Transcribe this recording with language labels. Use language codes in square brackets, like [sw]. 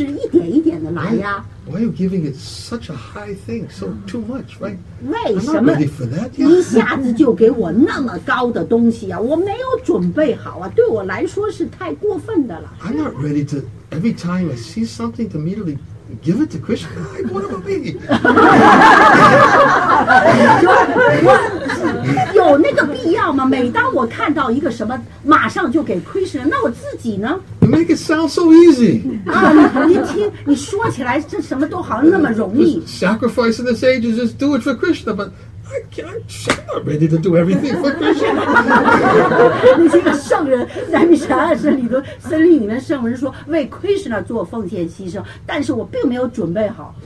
[en] Why are you giving it such a high thing? So too much, right? I'm not ready for that yet. [zh] 一下子就给我那么高的东西啊！我没有准备好啊！对我来说是太过分的了。 [en] I'm not ready to every time I see something to immediately give it to Krishna. What about me? [zh] 有那个必要吗？每当我看到一个什么，马上就给 Krishna， 那我自己呢 [en] ？You make it sound so easy. [zh] 你听，你说起来这什么都好像那么容易。 [en] Sacrifice in this age is just do it for Krishna, but I'm not ready to do everything for Krishna. [zh] 那个圣人在密舍尔森里头，森林里面圣人说为 Krishna 做奉献牺牲，但是我并没有准备好。